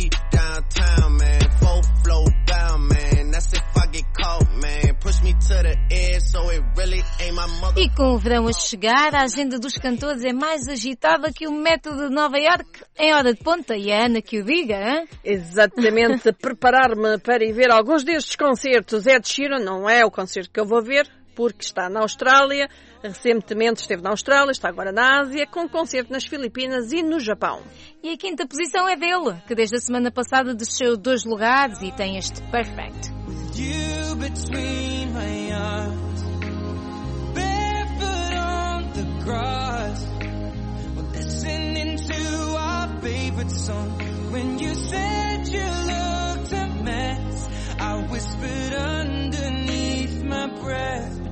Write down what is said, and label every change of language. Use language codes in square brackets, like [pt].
[en] Downtown, man, full flow down, man. That's if I get caught, man. Push me to the edge, so it really ain't my mother. [pt] E com o verão a chegar, a agenda dos cantores é mais agitada que o método de Nova York em hora de ponta, e a Ana que o diga, hein? Exatamente. Preparar-me para ir ver alguns destes concertos. Ed Sheeran não é o concerto que eu vou ver, porque está na Austrália. Recentemente esteve na Austrália, está agora na Ásia, com concerto nas Filipinas e no Japão. E a quinta posição é dele, que desde a semana passada desceu 2 lugares e tem este Perfect. [en] With you between my arms, barefoot on the grass, listening to our favorite song. When you said you looked a mess, I whispered underneath my breath.